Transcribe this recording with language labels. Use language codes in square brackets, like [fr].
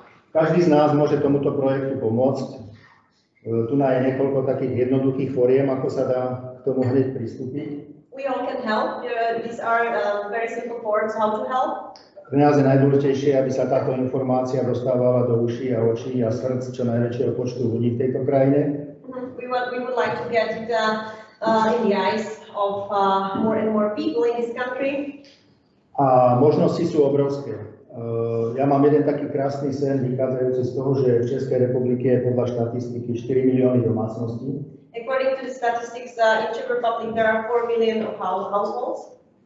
[sk] Každý z nás môže tomuto projektu pomôcť. Tu je niekoľko takých jednoduchých foriem, ako sa dá k tomu hneď pristúpiť. [en] We all can help. These are very simple forms how to help. [sk] Pre nás je najdôležitejšie, aby sa táto informácia dostávala do uší a očí a srdc čo najväčšieho počtu ľudí v tejto krajine. [en] We would like to get it in the eyes of more and more people in this country. [sk] A možnosti sú obrovské. Ja mám jeden taký krásny sen vychádzajúci z toho, že v Českej republike je podľa štatistiky 4 milióny domácností. [en] According to the statistics, in Czech Republic there are 4 million of households.